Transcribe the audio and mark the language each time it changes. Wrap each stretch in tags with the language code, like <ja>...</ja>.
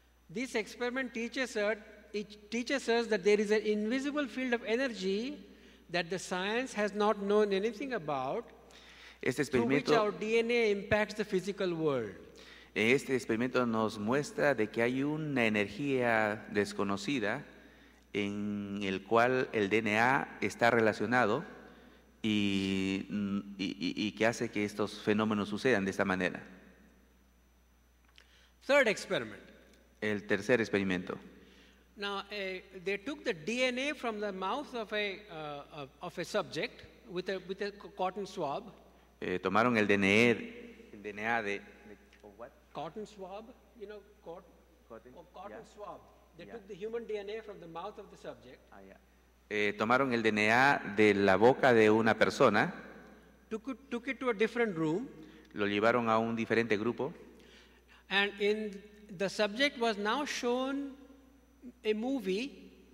<en>This experiment teaches us that there is an invisible field of energy that the science has not known anything about.</en> <es>Este experimento,</es> <en>through which our DNA impacts the physical world.</en> <es>Este experimento nos muestra de que hay una energía desconocida en el cual el DNA está relacionado y que hace que estos fenómenos sucedan de esta manera.</es> <en>Third experiment.</en> <es>El tercer experimento.</es> <en>Now they took the DNA from the mouth of a subject with a cotton swab.</en> <es>Tomaron el DNA de</es> <en>cotton swab, you know, cotton yeah. swab. They yeah. took the human DNA from the mouth of the subject.</en> <es>Tomaron el DNA de la boca de una persona.</es> <en>Took it to a different room.</en> <es>Lo llevaron a un diferente grupo.</es> <en>And in the subject was now shown a movie.</en>